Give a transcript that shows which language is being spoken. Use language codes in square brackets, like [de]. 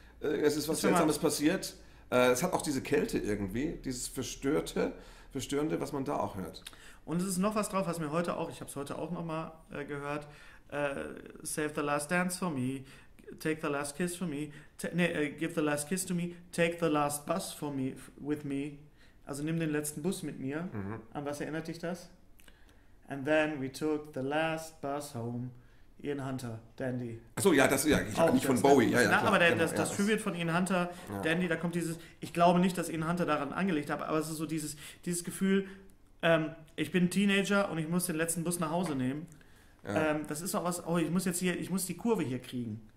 [de] Es ist was Seltsames passiert. Es hat auch diese Kälte irgendwie, dieses Verstörende, was man da auch hört. Und es ist noch was drauf, was mir heute auch, ich habe es heute auch nochmal gehört, [en] Save the Last Dance for Me, Take the Last Kiss for Me, Give the Last Kiss to Me, Take the Last Bus for Me, with Me. [de] Also nimm den letzten Bus mit mir. Mhm. An was erinnert dich das? [en] And then we took the last bus home. [de] Ian Hunter, Dandy. Achso, ja, das ist ja nicht von Bowie. Ja, ja, na, aber das Tribute von Ian Hunter, Dandy, da kommt dieses, ich glaube nicht, dass Ian Hunter daran angelegt hat, aber es ist so dieses Gefühl, ich bin Teenager und ich muss den letzten Bus nach Hause nehmen. Ja. Das ist auch was, ich muss die Kurve hier kriegen.